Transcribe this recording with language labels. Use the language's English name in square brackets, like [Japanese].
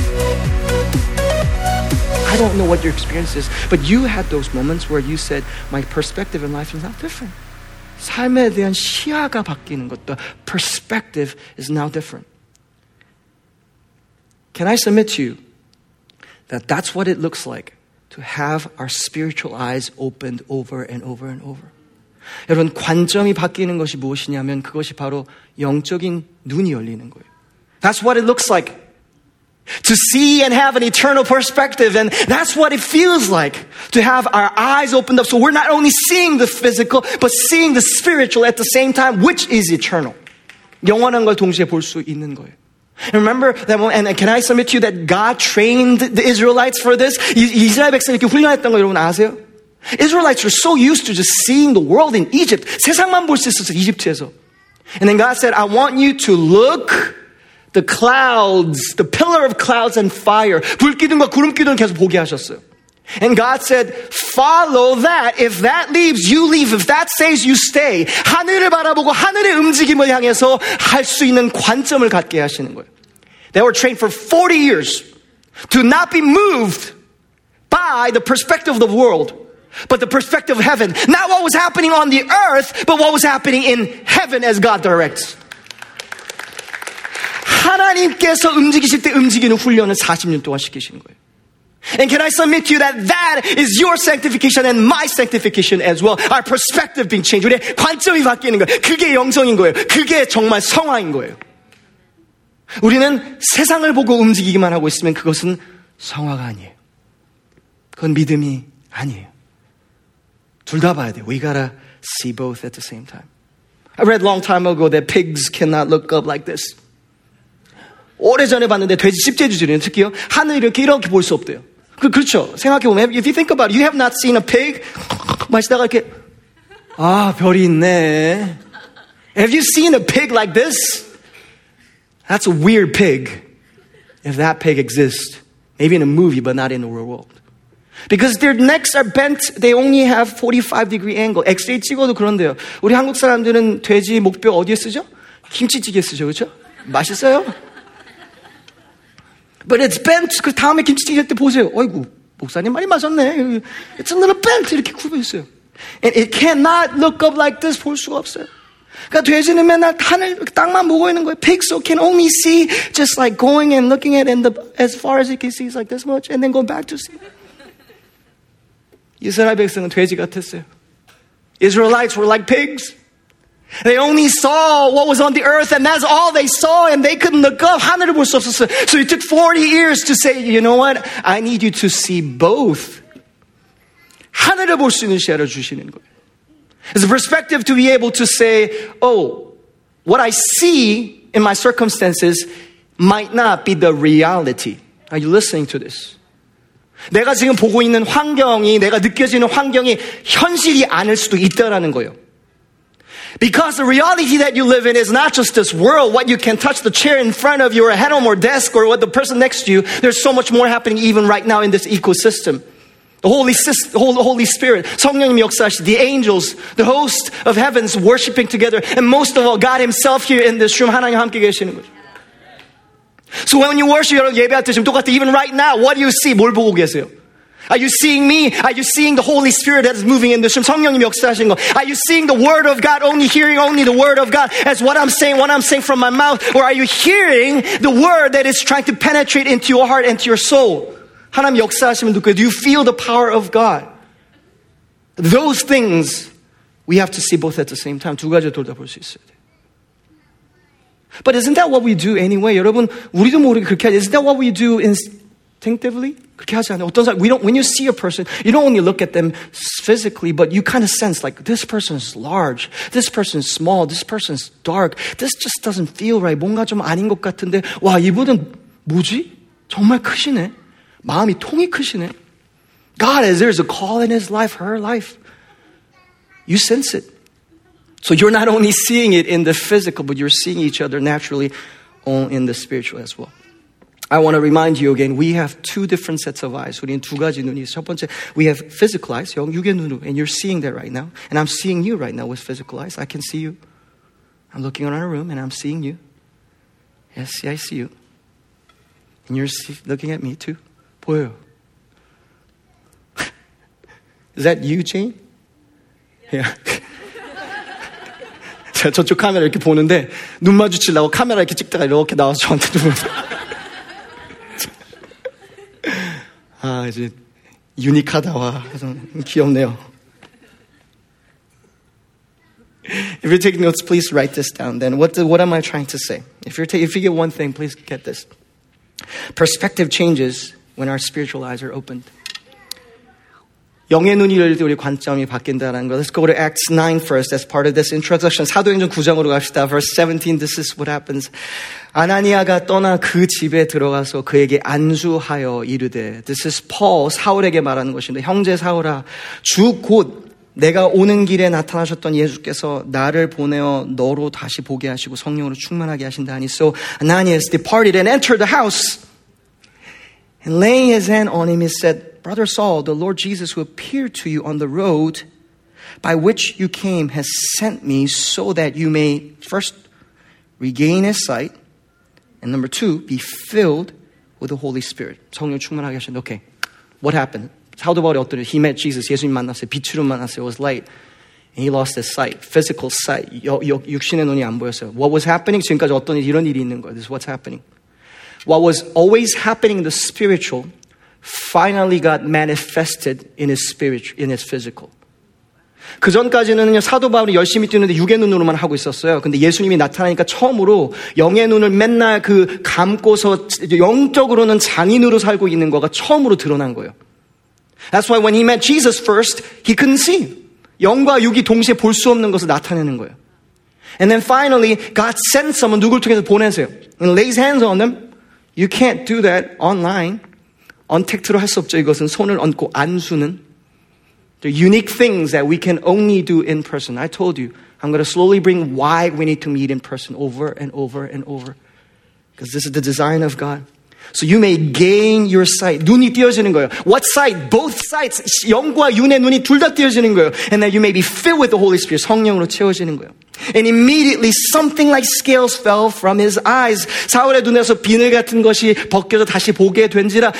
[English] I don't know what your experience is, but you had those moments where you said, my perspective in life is not different. [Korean] 삶에 대한 시야가 바뀌는 것도, [English] perspective is now different. Can I submit to you that that's what it looks like to have our spiritual eyes opened over and over and over? [Korean] 여러분, 관점이 바뀌는 것이 무엇이냐면 그것이 바로 영적인 눈이 열리는 거예요. [English] That's what it looks like to see and have an eternal perspective. And that's what it feels like to have our eyes opened up so we're not only seeing the physical but seeing the spiritual at the same time, which is eternal. [Korean] 영원한 걸 동시에 볼 수 있는 거예요. [English] And remember that, and can I submit to you that God trained the Israelites for this? [Korean] 이스라엘 백성 이렇게 훈련했던 거 여러분 아세요? [English] Israelites were so used to just seeing the world in Egypt. [Korean] 세상만 볼 수 있었어, 이집트에서. [English] And then God said, I want you to look the clouds, the pillar of clouds and fire. [Korean] 불기둥과 구름기둥을 계속 보게 하셨어요. [English] And God said, follow that. If that leaves, you leave. If that stays, you stay. [Korean] 하늘을 바라보고 하늘의 움직임을 향해서 할 수 있는 관점을 갖게 하시는 거예요. [English] They were trained for 40 years to not be moved by the perspective of the world, but the perspective of heaven. Not what was happening on the earth, but what was happening in heaven as God directs. [Korean] 하나님께서 움직이실 때 움직이는 훈련을 40년 동안 시키시는 거예요. [English] And can I submit to you that that is your sanctification and my sanctification as well. Our perspective being changed. [Korean] 우리의 관점이 바뀌는 거예요. 그게 영성인 거예요. 그게 정말 성화인 거예요. 우리는 세상을 보고 움직이기만 하고 있으면 그것은 성화가 아니에요. 그건 믿음이 아니에요. 둘 다 봐야 돼. [English] We gotta see both at the same time. I read long time ago that pigs cannot look up like this. [Korean] 오래전에 봤는데 돼지 집재주들은 특히요. 하늘을 이렇게 이렇게 볼 수 없대요. 그렇죠. 생각해 보면 [English] if you think about it, you have not seen a pig [Korean] 마시다가 이렇게 아, 별이 있네. [English] Have you seen a pig like this? That's a weird pig. If that pig exists, maybe in a movie but not in the real world. Because their necks are bent, they only have 45 degree angle. [Korean] X-ray 찍어도 그런데요. 우리 한국 사람들은 돼지 목뼈 어디에 쓰죠? 김치찌개 쓰죠. 그렇죠? 맛있어요? [English] But it's bent. [Korean] 그 다음에 김치찌개 때 보세요. 어이구, 목사님 많이 마셨네. [English] It's a little bent. [Korean] 이렇게 굽어 있어요. [English] And it cannot look up like this. [Korean] 볼 수가 없어요. 그러니까 돼지는 맨날 하늘, 땅만 보고 있는 거예요. [English] Pig so can only see just like going and looking at and as far as it can see is like this much and then go back to see. [Korean] 이스라엘 백성은 돼지 같았어요. [English] Israelites were like pigs. They only saw what was on the earth and that's all they saw and they couldn't look up. [Korean] 하늘을 볼 수 없었어요. [English] So it took 40 years to say, you know what? I need you to see both. [Korean] 하늘을 볼 수 있는 시야를 주시는 거예요. [English] It's a perspective to be able to say, oh, what I see in my circumstances might not be the reality. Are you listening to this? [Korean] 내가 지금 보고 있는 환경이, 내가 느껴지는 환경이 현실이 아닐 수도 있다라는 거예요. [English] Because the reality that you live in is not just this world, what you can touch, the chair in front of you, or a head on your desk, or what the person next to you, there's so much more happening even right now in this ecosystem. The Holy Spirit, [Korean] 성령님 역사하시, [English] the angels, the host of heavens worshiping together, and most of all, God himself here in this room, [Korean] 하나님 함께 계시는 거죠. [English] So when you worship, [Korean] 여러분 예배할 때 지금 똑같아. [English] Even right now, what do you see? [Korean] 뭘 보고 계세요? [English] Are you seeing me? Are you seeing the Holy Spirit that is moving in this room? [Korean] 성령님 역사하시는 거. [English] Are you seeing the Word of God, only hearing only the Word of God as what I'm saying from my mouth? Or are you hearing the Word that is trying to penetrate into your heart, into your soul? [Korean] 하나님 역사하시면 누구예요? [English] Do you feel the power of God? Those things, we have to see both at the same time. [Korean] 두 가지 둘 다 볼 수 있어야 돼. [English] But isn't that what we do anyway? [Korean] 여러분, 우리도 모르게 그렇게 하지. [English] Isn't that what we do instinctively? [Korean] 그렇게 하지 않아요. 어떤 사람, [English] when you see a person, you don't only look at them physically, but you kind of sense like, this person's large, this person's small, this person's dark, this just doesn't feel right. [Korean] 뭔가 좀 아닌 것 같은데, 와, 이분은 뭐지? 정말 크시네. 마음이 통이 크시네. [English] God, there's a call in his life, her life. You sense it. So you're not only seeing it in the physical, but you're seeing each other naturally in the spiritual as well. I want to remind you again, we have two different sets of eyes. [Korean] 우리는 두 가지 눈이 있어요. 첫 번째, [English] we have physical eyes, [Korean] 영, 육의 눈으로. [English] And you're seeing that right now. And I'm seeing you right now with physical eyes. I can see you. I'm looking around a room and I'm seeing you. Yes, yeah, I see you. And you're looking at me too. [Korean] 보여요. [English] Is that you, Jane? Yeah. [Korean] 제가 저쪽 카메라 이렇게 보는데 눈 마주치려고 카메라 이렇게 찍다가 이렇게 나와서 저한테 눈을 아 이제 유니크하다 와 귀엽네요. [English] If you're taking notes, please write this down. Then what am I trying to say? If you get one thing, please get this. Perspective changes when our spiritual eyes are opened. [Korean] 영의 눈이 열릴 때 우리 관점이 바뀐다는 거. [English] Let's go to Acts 9 first as part of this introduction. [Korean] 사도행전 9장으로 갑시다. [English] Verse 17, this is what happens. [Korean] 아나니아가 떠나 그 집에 들어가서 그에게 안수하여 이르되. [English] This is Paul, [Korean] 사울에게 말하는 것인데. 형제 사울아, 주 곧 내가 오는 길에 나타나셨던 예수께서 나를 보내어 너로 다시 보게 하시고 성령으로 충만하게 하신다 하니. [English] So Ananias departed and entered the house. And laying his hand on him, he said, Brother Saul, the Lord Jesus who appeared to you on the road by which you came has sent me so that you may first regain his sight and number two, be filled with the Holy Spirit. [Korean] 성령 충만하게 하셨는데, [English] okay, what happened? How the body altered? He met Jesus. [Korean] 예수님 만났어요. 빛으로 만났어요. [English] It was light. And he lost his sight, physical sight. [Korean] 육신의 눈이 안 보였어요. [English] What was happening? [Korean] 지금까지 어떤 일이 이런 일이 있는 거예요. [English] This is what's happening. What was always happening in the spiritual finally got manifested in his spirit, in his physical. [Korean] 그 전까지는요, 사도 바울이 열심히 뛰는데 육의 눈으로만 하고 있었어요. 근데 예수님이 나타나니까 처음으로 영의 눈을 맨날 그 감고서 영적으로는 장인으로 살고 있는 거가 처음으로 드러난 거예요. [English] That's why when he met Jesus first, he couldn't see. [Korean] 영과 육이 동시에 볼 수 없는 것을 나타내는 거예요. [English] And then finally, God sent someone, [Korean] 누굴 통해서 보내세요. [English] And lays hands on them. You can't do that online. [Korean] Untact로 할 수 없죠. 이것은 손을 얹고 안수는. [English] The unique things that we can only do in person. I told you, I'm going to slowly bring why we need to meet in person over and over and over. Because this is the design of God. So you may gain your sight. [Korean] 눈이 띄어지는 거예요. [English] What sight? Both sights. [Korean] 영과 윤의 눈이 둘 다 띄어지는 거예요. [English] And that you may be filled with the Holy Spirit. [Korean] 성령으로 채워지는 거예요. [English] And immediately something like scales fell from his eyes. [Korean] 사울의 눈에서 비늘 같은 것이 벗겨져 다시 보게 된지라.